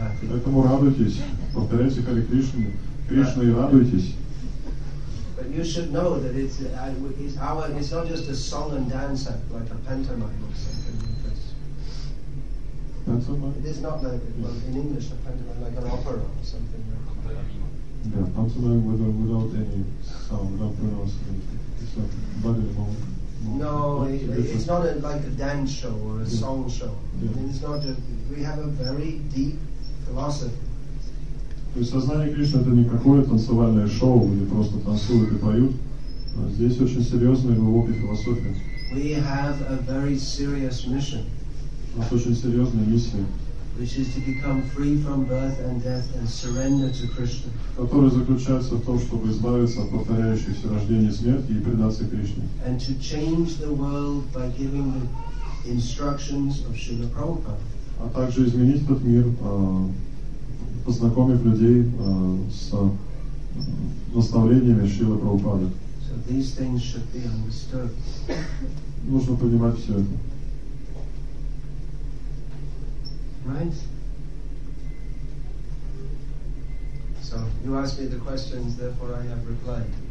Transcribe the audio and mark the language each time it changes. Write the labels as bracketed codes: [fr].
[ru] Поэтому радуйтесь, повторяйте Харе Кришну, Кришну и радуйтесь. Пантомима. Да, пантомима [en] without any sound, without pronouncement. It's a body of No, it's not a, like a dance show or a song show. Yeah. It's not. We have a very deep philosophy. [ru] То есть сознание Кришны это не какое-то танцевальное шоу, где просто танцуют и поют. А здесь очень серьезная глубокая философия. [en] We have a very serious mission. [ru] У нас очень серьезная миссия. [en] Which is to become free from birth and death and surrender to Krishna. [ru] Которая заключается в том, чтобы избавиться от повторяющихся рождений и смерти и предаться Кришне. [en] And to change the world by giving the instructions of Srila Prabhupada. [ru] А также изменить этот мир, познакомив людей с наставлениями Шрилы Прабхупады. [en] So these things should be understood. [ru] Нужно понимать все это. [en] Right? So you asked me the questions, therefore I have replied.